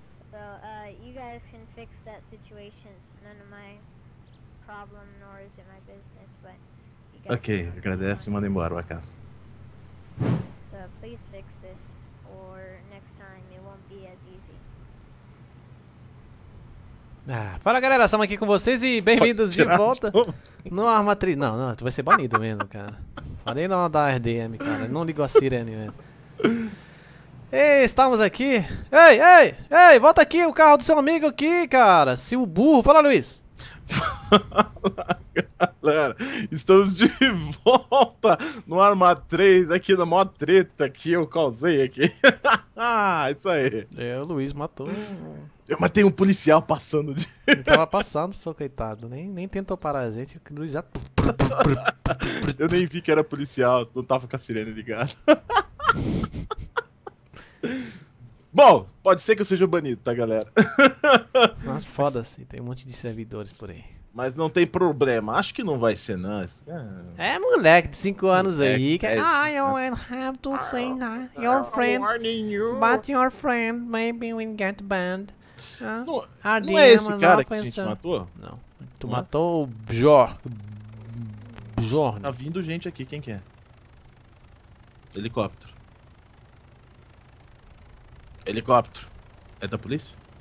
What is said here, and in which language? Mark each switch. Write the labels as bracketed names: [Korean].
[English] So, you guys can fix that situation. It's none of my problem, nor is it my business, but... You guys ok, [Portuguese] agradece e manda embora pra casa. [English] So, please fix this, or next time it won't be as easy. [Portuguese] Fala galera, estamos aqui com vocês e bem-vindos de volta no Arma 3. Não, tu vai ser banido mesmo, cara. Falei não da RDM, cara, não ligou a sirene mesmo. Ei, estamos aqui. Ei, volta aqui, o carro do seu amigo aqui, cara. Seu burro, fala Luiz. Fala galera, estamos de volta no Arma 3, aqui na maior treta que eu causei aqui. Isso aí. É, o Luiz matou. Eu matei um policial passando de... Ele tava passando, seu coitado. Nem tentou parar a gente. Luiz já... Eu nem vi que era policial. Não tava com a sirene ligada. Bom, pode ser que eu seja banido, tá, galera? Mas foda-se. Tem um monte de servidores por aí. Mas não tem problema. Acho que não vai ser, não. É, moleque de 5 anos aí. Que... [English] I don't have to say that. Your friend... But your friend maybe will get banned. [Portuguese] Não, não é esse cara que a gente matou? Não. Tu matou o Bjorn. Tá vindo gente aqui, quem que é? Helicóptero. Helicóptero. É da polícia?